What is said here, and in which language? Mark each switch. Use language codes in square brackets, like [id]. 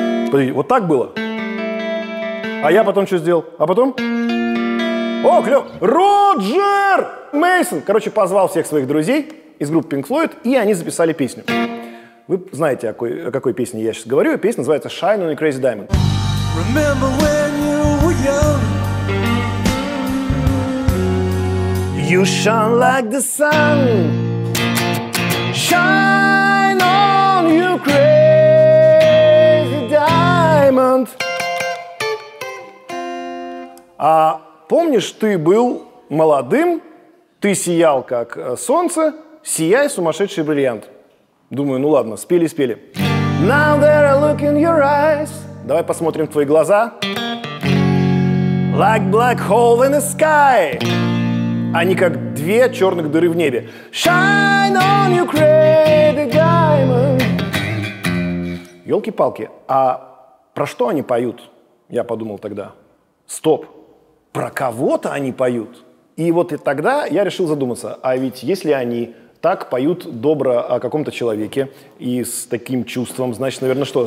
[ru] Подожди, вот так было? А я потом что сделал? А потом? О, клёв! Роджер Мейсон! Короче, позвал всех своих друзей из группы Pink Floyd, и они записали песню. Вы знаете, о какой песне я сейчас говорю. Песня называется Shine on a Crazy Diamond. [en] Remember when you were young. You shine like the sun, shine on you crazy diamond. [ru] А помнишь, ты был молодым, ты сиял как солнце, сияй, сумасшедший бриллиант. Думаю, ну ладно, спели. [en] Now that I look in your eyes. [ru] Давай посмотрим в твои глаза. [en] Like black hole in the sky. [ru] Они как две черных дыры в небе. [en] Shine on you crazy diamond. [ru] Ёлки-палки, а про что они поют? Я подумал тогда. Стоп, про кого-то они поют? И вот и тогда я решил задуматься, а ведь если они так поют добро о каком-то человеке и с таким чувством, значит, наверное, что?